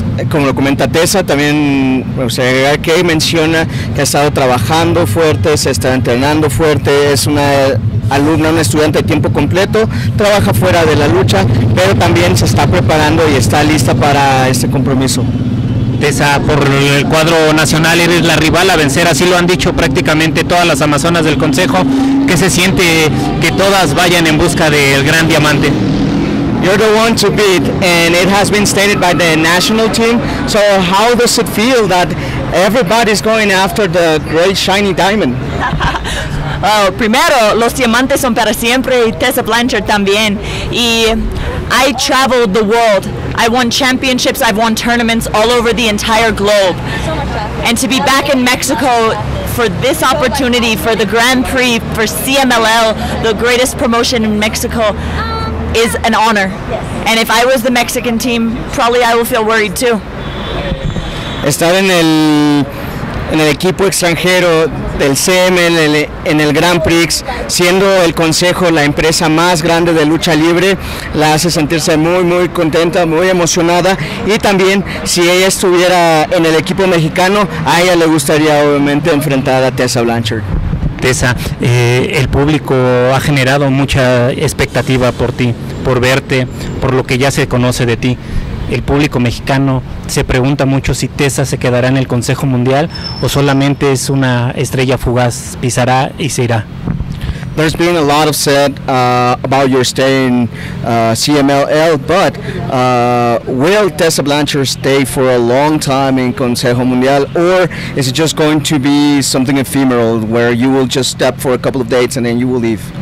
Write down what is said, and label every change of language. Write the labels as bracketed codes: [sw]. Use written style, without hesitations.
[es] Como lo comenta Tessa, también me gustaría agregar que menciona que ha estado trabajando fuerte, se está entrenando fuerte, es una alumna, una estudiante de tiempo completo, trabaja fuera de la lucha, pero también se está preparando y está lista para este compromiso. Tessa, por el cuadro nacional eres la rival a vencer, así lo han dicho prácticamente todas las amazonas del consejo. ¿Qué se siente que todas vayan en busca del gran diamante? [en] You're the one to beat, and it has been stated by the national team. So how does it feel that everybody's going after the great shiny diamond? [es] Well, primero, los diamantes son para siempre, y Tessa Blanchard también. [en] Y I traveled the world. I won championships, I've won tournaments all over the entire globe. And to be back in Mexico for this opportunity, for the Grand Prix, for CMLL, the greatest promotion in Mexico, is an honor. And if I was the Mexican team, probably I will feel worried too. [es] Estar en el equipo extranjero del CMLL en el Grand Prix, siendo el consejo la empresa más grande de lucha libre, la hace sentirse muy muy contenta, muy emocionada. Y también, si ella estuviera en el equipo mexicano, a ella le gustaría obviamente enfrentar a Tessa Blanchard. Tessa, el público ha generado mucha expectativa por ti, por verte, por lo que ya se conoce de ti. El público mexicano se pregunta mucho si Tessa se quedará en el Consejo Mundial o solamente es una estrella fugaz, pisará y se irá. [en] There's been a lot of said about your stay in CMLL, but will Tessa Blanchard stay for a long time in Consejo Mundial, or is it just going to be something ephemeral where you will just step for a couple of dates and then you will leave?